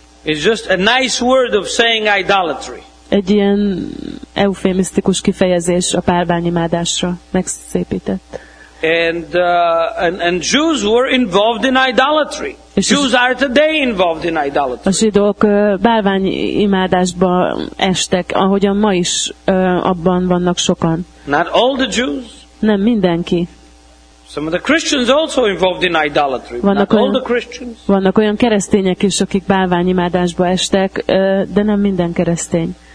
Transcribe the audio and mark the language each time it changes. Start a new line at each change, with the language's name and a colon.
English: It's just a nice word of saying idolatry.
Hungarian: Egy ilyen eufémisztikus kifejezés a bálványimádásra megszépített.
English: And Jews were involved in idolatry. Jews are today involved in idolatry.
Hungarian: A zsidók bálványimádásba estek, ahogyan ma is abban vannak sokan.
English: Not all the Jews.
Hungarian: Nem mindenki.
English: Some of the Christians also involved in idolatry.
Hungarian: Vannak
English: not all the Christians.
Hungarian: Vannak olyan keresztények is, akik bálványimádásba estek, de nem minden keresztény.